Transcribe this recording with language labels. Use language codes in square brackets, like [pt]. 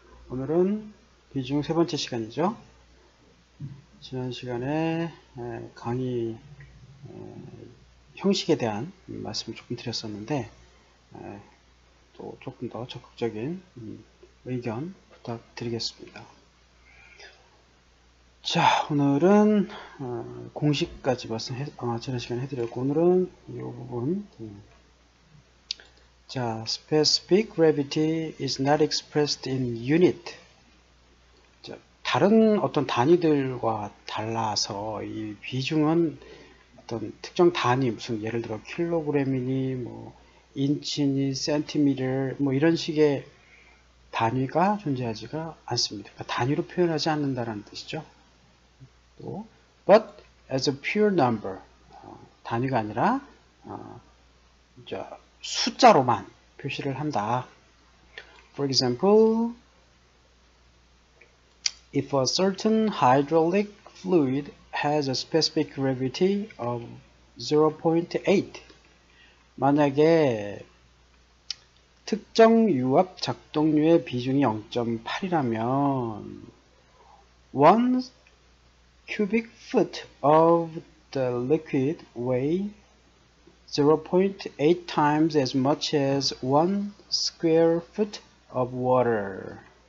[ko] 오늘은 비중 세 번째 시간이죠. 지난 시간에 강의 형식에 대한 말씀을 조금 드렸었는데, 또 조금 더 적극적인 의견 부탁드리겠습니다. 자, 오늘은 공식까지 지난 시간에 해드렸고, 오늘은 이 부분. [en] 자, specific gravity is not expressed in unit. [ko] 자, 다른 어떤 단위들과 달라서 이 비중은 어떤 특정 단위, 무슨 예를 들어 킬로그램이니 뭐 인치니 센티미터 뭐 이런 식의 단위가 존재하지가 않습니다. 단위로 표현하지 않는다는 뜻이죠. 또, [en] but as a pure number, [ko] 단위가 아니라 숫자로만 표시를 한다. [en] For example, if a certain hydraulic fluid has a specific gravity of 0.8, [ko] 만약에 특정 유압 작동류의 비중이 0.8이라면, [en] 1 cubic foot of the liquid weigh 0.8 times as much as 1 square foot of water.